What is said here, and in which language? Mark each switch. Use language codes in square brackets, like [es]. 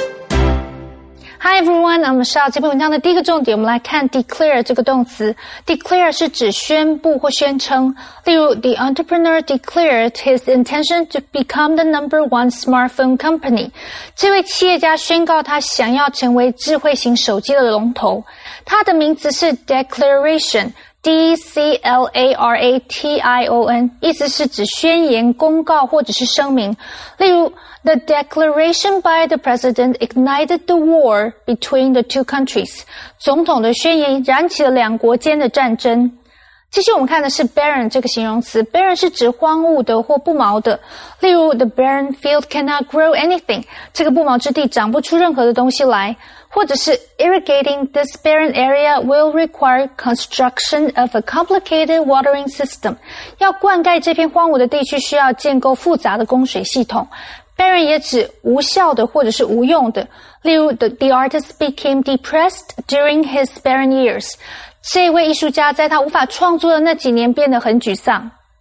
[en] Hi everyone, I'm Michelle. [zh] 这篇文章的第一个重点，我们来看 declare 这个动词。 Declare 是指宣布或宣称。例如 [en] ,the entrepreneur declared his intention to become the number one smartphone company. [zh] 这位企业家宣告他想要成为智慧型手机的龙头。他的名字是 declaration, D-C-L-A-R-A-T-I-O-N, 意思是指宣言、公告或者是声明。例如 [en] The declaration by the president ignited the war between the two countries. [zh] 总统的宣言燃起了两国间的战争。继续我们看的是 barren 这个形容词。barren 是指荒芜的或不毛的。例如 [en] ,the barren field cannot grow anything. [zh] 这个不毛之地长不出任何的东西来。或者是 [en] irrigating this barren area will require construction of a complicated watering system. [zh] 要灌溉这片荒芜的地区需要建构复杂的供水系统。 Barren 也指无效的或者是无用的。例如 [en] ,the artist became depressed during his barren years. [zh] 这位艺术家在他无法创作的那几年变得很沮丧。